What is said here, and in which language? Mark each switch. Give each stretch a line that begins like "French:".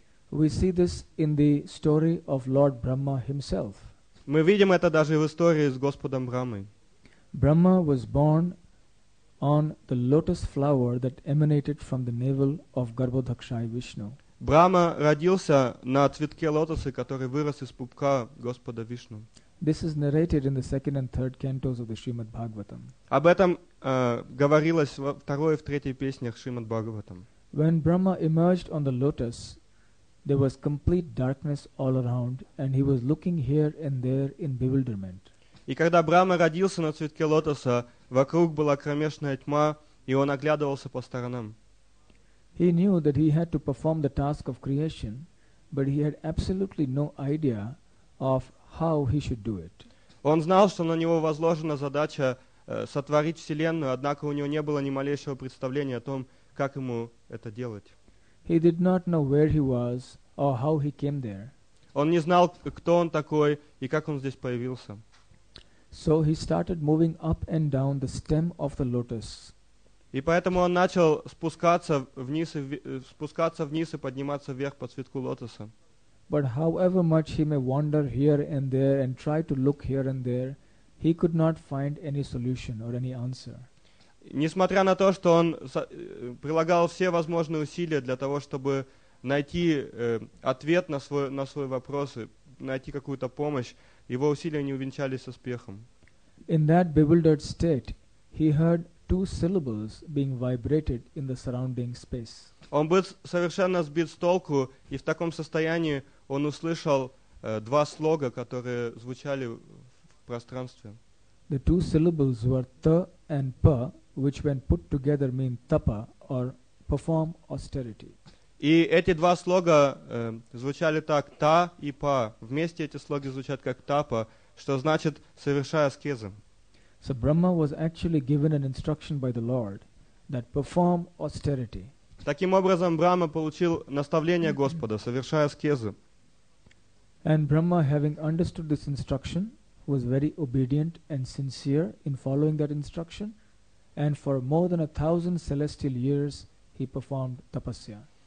English: We see this in the story of Lord Brahma himself.
Russian: Мы видим это даже в истории с Господом Брахмой.
English: Brahma was born on the lotus flower that emanated from the navel of Garbhodakshaya Vishnu.
Russian: Брахма родился на цветке лотоса, который вырос из пупка Господа Вишну.
English: This is narrated in the second and third cantos of the Srimad Bhagavatam.
Russian: Об этом говорилось во второй и в третьей песнях Шримад Бхагаватам.
English: When Brahma emerged on the lotus, there was complete darkness all around, and he was looking here and there in bewilderment.
Russian: И когда Брахма родился на цветке лотоса, вокруг была кромешная тьма, и он оглядывался по сторонам.
English: He knew that he had to perform the task of creation, but he had absolutely no idea of how he should do it.
Russian: Он знал, что на него возложена задача сотворить вселенную, однако у него не было ни малейшего представления о том, как ему это делать.
English: He did not know where he was or how he came there.
Russian: Он не знал, кто он такой и как он здесь появился.
English: So he started moving up and down the stem of the lotus.
Russian: И поэтому он начал спускаться вниз и подниматься вверх по цветку лотоса.
English: But however much he may wander here and there and try to look here and there, he could not find any solution or any answer.
Russian: Несмотря на то, что он прилагал все возможные усилия для того, чтобы найти ответ на свой вопрос и найти какую-то помощь, его усилия не увенчались успехом.
English: In that bewildered state, he heard two syllables being vibrated in the surrounding space.
Russian: Он был совершенно сбит с толку, и в таком состоянии он услышал два слога, которые звучали в пространстве.
English: The two syllables were ta and pa, which when put together mean tapa or perform austerity.
Russian: И эти два слога звучали так, та и па. Вместе эти слоги звучат как тапа, что значит совершая аскезы.
English: So Brahma was actually given an instruction by the Lord that perform austerity.
Russian: Таким образом, Брахма получил наставление Господа, совершая аскезы.
English: And Brahma, having understood this instruction, was very obedient and sincere in following that instruction, and for more than 1,000 celestial years he performed tapasya.